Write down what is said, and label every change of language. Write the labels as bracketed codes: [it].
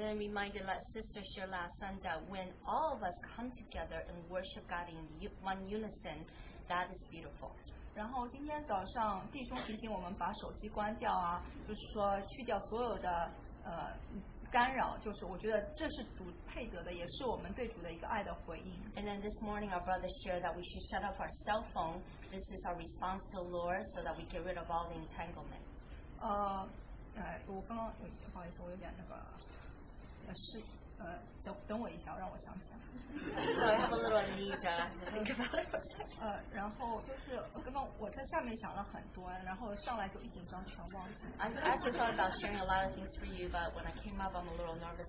[en] then reminded that sister shared last Sunday when all of us come together and worship God in one unison, that is beautiful. [zh] 然后今天早上弟兄提醒我们把手机关掉啊，就是说去掉所有的。干扰就是我觉得这是主配得的，也是我们对主的一个爱的回应。 [en] And then this morning our brother shared that we should shut off our cell phone. This is our response to the Lord so that we get rid of all the entanglement. [zh] 我刚刚不好意思，我有点那个，等我一下，让我想想。 [en] So I have a little amnesia. Think about it. [zh] 然后就是刚刚我在下面想了很多，然后上来就一紧张全忘记。 [en] I actually thought about sharing a lot of things for you, but when I came up, I'm a little nervous.